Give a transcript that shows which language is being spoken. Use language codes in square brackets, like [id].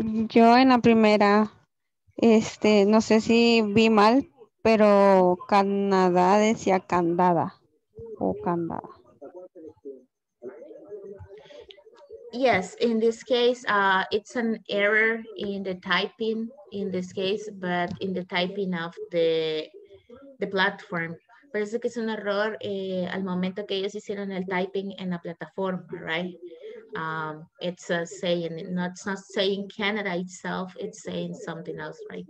[es] Yo en la primera, no sé si vi mal, pero Canadá decía candada o candada. [en] Yes, in this case, it's an error in the typing, in this case, but in the typing of the platform. [es] Parece que es un error al momento que ellos hicieron el typing en la plataforma, right? [en] It's saying, it's not saying Canada itself, it's saying something else, right?